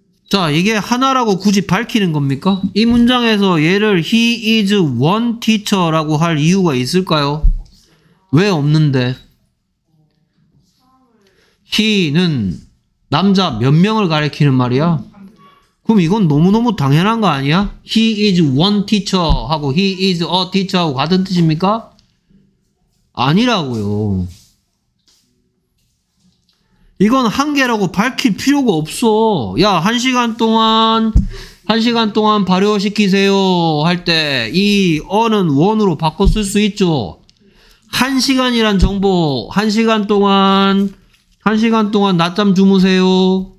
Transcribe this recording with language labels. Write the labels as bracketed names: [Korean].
[Korean] 자, 이게 하나라고 굳이 밝히는 겁니까? 이 문장에서 얘를 [English] he is one teacher [Korean] 라고 할 이유가 있을까요? 왜 없는데? he는 남자 몇 명을 가리키는 말이야? 그럼 이건 너무너무 당연한 거 아니야? [English] he is one teacher하고 he is a teacher하고 [Korean] 같은 뜻입니까? 아니라고요. 이건 한계라고 밝힐 필요가 없어. 야, 한 시간 동안 발효시키세요 할 때 이 어는 원으로 바꿔 쓸 수 있죠. 한 시간이란 정보, 한 시간 동안 낮잠 주무세요.